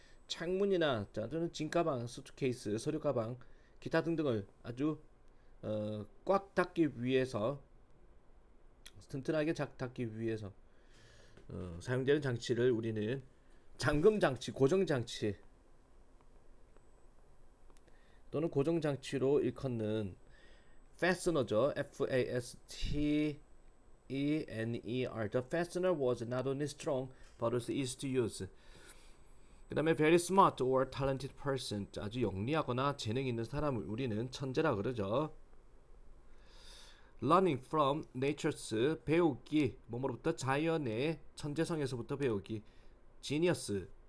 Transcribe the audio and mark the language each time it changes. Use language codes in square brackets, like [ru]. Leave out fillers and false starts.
[ko] 창문이나 자, 또는 진가방, 수트케이스, 서류가방, 기타 등등을 아주 꽉 닫기 위해서, 튼튼하게 닫기 위해서 사용되는 장치를 우리는 잠금장치, 고정장치 또는 고정장치로 일컫는 fastener죠. [en] F-A-S-T-E-N-E-R. The fastener was not only strong, but also easy to use. [ko] 그 다음에 [en] very smart or talented person. [ko] 아주 영리하거나 재능 있는 사람을 우리는 천재라 그러죠. [en] Learning from nature's [ko] 배우기, 몸으로부터 자연의 천재성에서부터 배우기, genius.